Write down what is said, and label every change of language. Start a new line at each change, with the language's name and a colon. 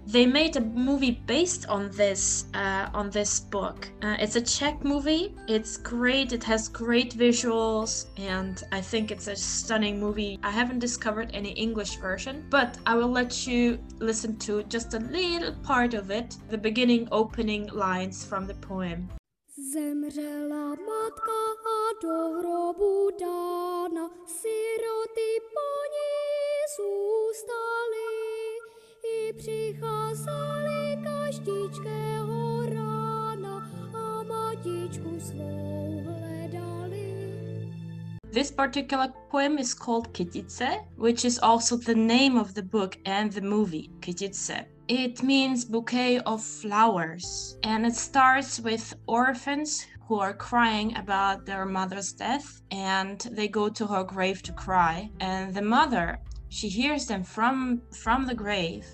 English: They made a movie based on this book. It's a Czech movie. It's great. It has great visuals. And I think it's a stunning movie. I haven't discovered any English version, but I will let you listen to just a little part of it. The beginning opening lines from the poem.
Czech: Zemřela matka a do hrobu dána, siroty po ní zůstali, i přicházeli každičkého rána a matičku svou hledali.
English: This particular poem is called Kytice, which is also the name of the book and the movie, Kytice. It means bouquet of flowers, and it starts with orphans who are crying about their mother's death, and they go to her grave to cry, and the mother, she hears them from the grave.